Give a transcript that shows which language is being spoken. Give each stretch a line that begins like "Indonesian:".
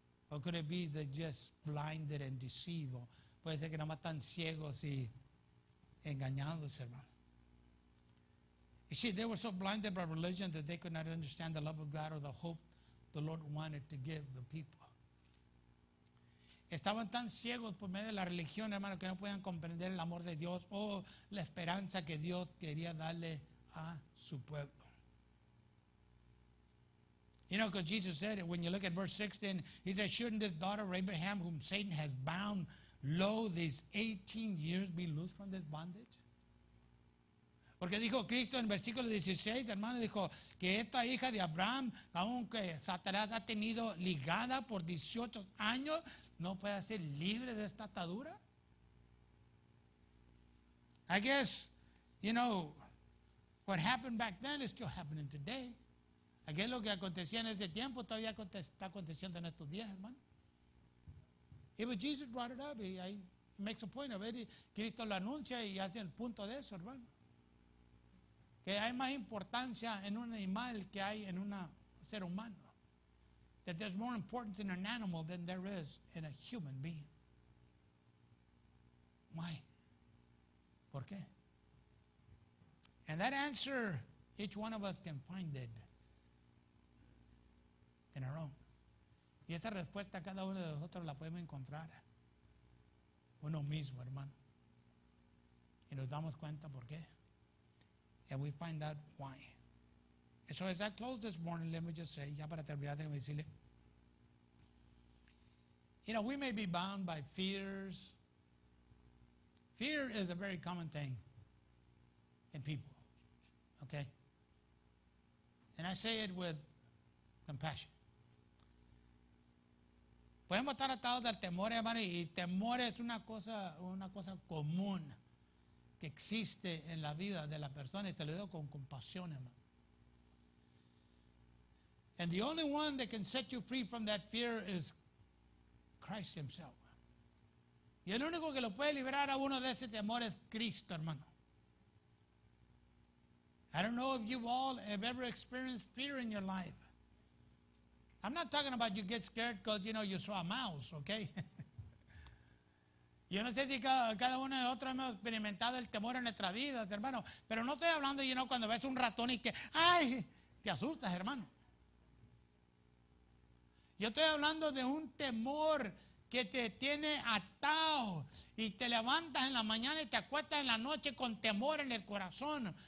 English: Or could it be they're just blinded and deceived?
Spanish: ¿Puede ser que nomás están ciegos y engañados, hermano?
English: You see, they were so blinded by religion that they could not understand the love of God or the hope the Lord wanted to give the people.
Spanish: Estaban tan ciegos por medio de la religión, hermano, que no podían comprender el amor de Dios o la esperanza que Dios quería darle a su pueblo.
English: You know, because Jesus said, when you look at verse 16, he said, shouldn't this daughter of Abraham, whom Satan has bound, lo, these 18 years, be loosed from this bondage?
Spanish: Porque dijo Cristo en versículo 16, hermano, dijo que esta hija de Abraham, aunque Satanás ha tenido ligada por 18 años, no puede ser libre de esta atadura.
English: I guess, you know, what happened back then is still happening today. I guess
Spanish: lo que acontecía en ese tiempo todavía está aconteciendo en estos días, hermano.
English: Y but Jesus brought it up, he makes a point of it.
Spanish: Cristo lo anuncia y hace el punto de eso, hermano. Que hay más importancia en un animal que hay en un ser humano.
English: That there's more importance in an animal than there is in a human being. Why?
Spanish: ¿Por qué?
English: And that answer, each one of us can find it in our own.
Spanish: Y esta respuesta cada uno de nosotros la podemos encontrar uno mismo, hermano. Y nos damos cuenta por qué.
English: And we find out why. And so as I close this morning, let me just say,
Spanish: ya para terminar, déjame decirle,
English: you know, we may be bound by fears. Fear is a very common thing in people, okay? And I say it with compassion.
Spanish: Podemos estar atados al temor, hermano, y temor es una cosa común que existe en la vida de la persona, y te lo digo con compasión, hermano.
English: And the only one that can set you free from that fear is Christ himself.
Spanish: Y el único que lo puede liberar a uno de ese temor es Cristo, hermano.
English: I don't know if you all have ever experienced fear in your life. I'm not talking about you get scared because, you know, you saw a mouse, okay?
Spanish: Yo no sé si cada uno de nosotros hemos experimentado el temor en nuestra vida, hermano. Pero no estoy hablando, you know, cuando ves un ratón y que, ¡ay! Te asustas, hermano. Yo estoy hablando de un temor que te tiene atado y te levantas en la mañana y te acuestas en la noche con temor en el corazón.